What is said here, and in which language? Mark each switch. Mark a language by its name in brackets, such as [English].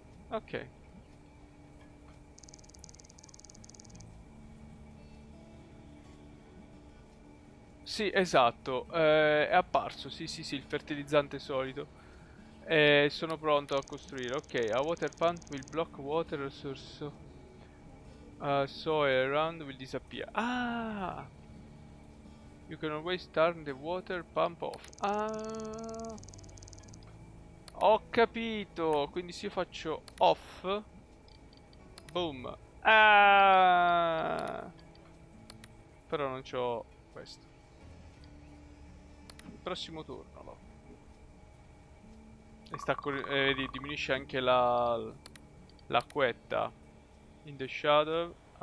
[Italian] Ok. Sì, esatto. È apparso. Sì, il fertilizzante solito. Sono pronto a costruire. [English] Ok, a water pump will block water resource. Soil around will disappear. Ah! You can always turn the water pump off. Ah! [Italian] Ho capito, quindi se io faccio off, boom. Però non c'ho questo. Prossimo turno, no. E diminuisce anche l'acquetta [English] in the shadow.